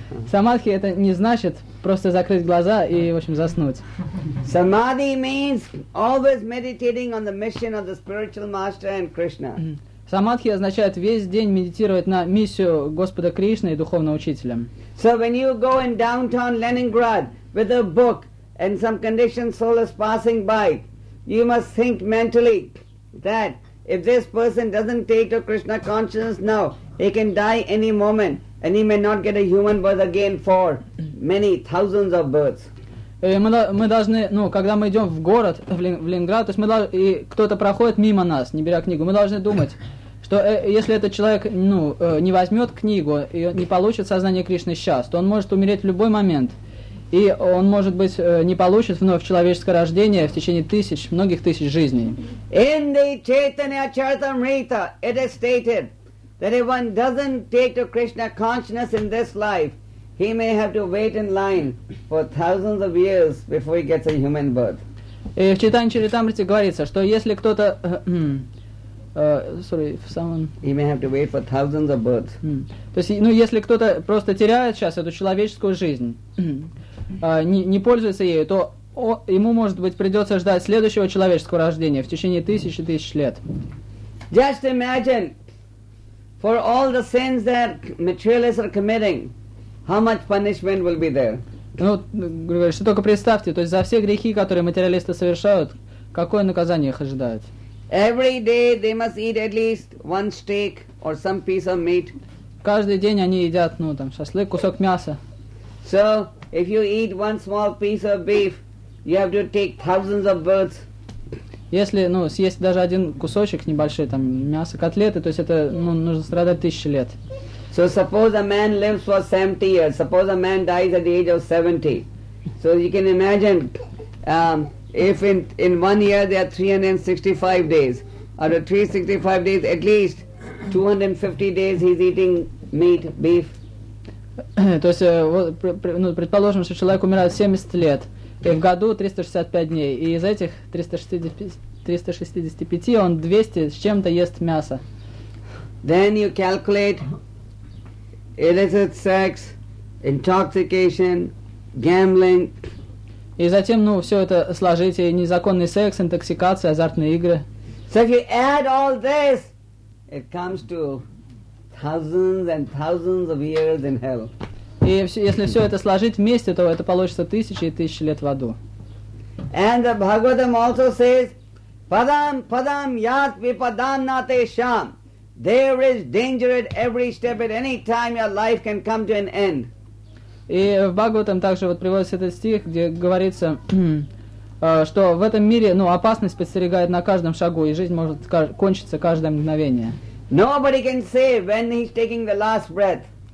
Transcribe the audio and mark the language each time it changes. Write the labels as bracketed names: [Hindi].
[Russian] Самадхи — это не значит просто закрыть глаза и, в общем, заснуть. [English] Samadhi means always meditating on the mission of the spiritual master and Krishna. [Russian] Самадхи означает весь день медитировать на миссию Господа Кришны и духовного учителя. [English] So when you go in downtown Leningrad with a book and some conditioned soul is passing by, you must think mentally that if this person doesn't take to Krishna consciousness now, he can die any moment and he may not get a human birth again for many thousands of births. [Russian] Мы должны, ну, когда мы идем в город, в Ленинград, то есть мы должны, и кто-то проходит мимо нас, не беря книгу, мы должны думать, что если этот человек, ну, не возьмет книгу и не получит сознание Кришны сейчас, то он может умереть в любой момент. И он, может быть, не получит вновь человеческое рождение в течение тысяч, многих тысяч жизней. [English] In the Chaitanya Charitamrita it is stated that if one doesn't take to Krishna consciousness in this life, he may have to wait in line for thousands of years before he gets a human birth. [Russian] И в Чайтанья Чаритамрите говорится, что если кто-то... [English] He may have to wait for thousands of births. [Russian] То есть, ну, если кто-то просто теряет сейчас эту человеческую жизнь, не пользуется ею, то ему, может быть, придется ждать следующего человеческого рождения в течение тысяч и тысяч лет. [English] Just imagine for all the sins that materialists are committing, how much punishment will be there? [Russian] Ну, говорю, что только представьте, то есть за все грехи, которые материалисты совершают, какое наказание их ожидает? [English] Every day they must eat at least one steak or some piece of meat. [Russian] Каждый день они едят, ну, там, шашлык, кусок мяса. [English] So, if you eat one small piece of beef, you have to take thousands of births. [Russian] Если, ну, съесть даже один кусочек небольшой, там, мяса, котлеты, то есть это, ну, нужно страдать тысячи лет. [English] So suppose a man lives for 70 years. Suppose a man dies at the age of 70. So you can imagine, if in 1 year there are 365 days, out of 365 days, at least 250 days he's eating meat, beef. [Russian] То есть, вот, ну, предположим, что человек умирает 70 лет, и в году 365 дней, и из этих 365 он 200 с чем-то ест мясо. [English] Then you calculate illicit sex, intoxication, gambling. [Russian] И затем, ну, все это сложите, незаконный секс, интоксикация, азартные игры. [English] So if you add all this, it comes to thousands and thousands of years in hell. [Russian] И если все это сложить вместе, то это получится тысячи и тысячи лет в аду. [English] And the Bhagavatam also says, [Sanskrit] padam padam yat vipadam nate sham. [English] There is danger at every step. At any time your life can come to an end. [Russian] И в Бхагаватам также вот приводится этот стих, где говорится, что в этом мире, ну, опасность подстерегает на каждом шагу, и жизнь может кончиться каждое мгновение. [English] Nobody can say when he's taking the last breath.